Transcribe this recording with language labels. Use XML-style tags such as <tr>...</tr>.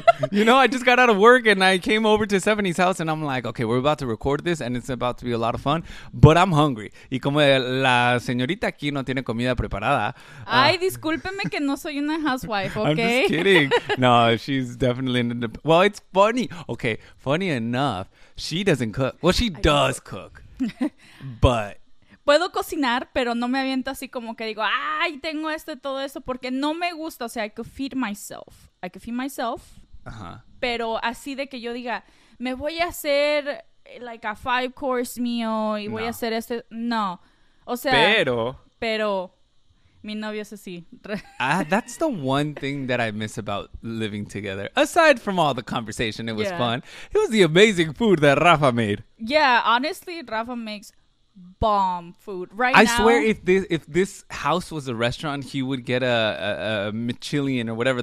<en>You know, I just got out of work and I came over to Stephanie's house and I'm like, okay, we're about to record this and it's about to be a lot of fun, but I'm hungry.</en> <es>Y como la señorita aquí no tiene comida preparada. Ay, discúlpeme que no soy una housewife, okay?</es> <en>I'm just kidding. No, she's definitely... Well, it's funny. Okay, funny enough, she doesn't cook. Well, she does cook. But</en> <es>puedo cocinar, pero no me aviento así como que digo, ay, tengo esto y todo eso, porque no me gusta. O sea,</es> <en>I could feed myself. Uh-huh.</en> <es>Pero así de que yo diga, me voy a hacer</es> <en>like a 5-course meal</en> <es>y voy a hacer este, no. O sea, pero Mi novio es así.</es> <en>That's the one thing that I miss about living together. Aside from all the conversation, it was fun. It was the amazing food that Rafa made. Yeah, honestly, Rafa makes bomb food. Right I now, swear, if this house was a restaurant, he would get a Michelin or whatever.</en>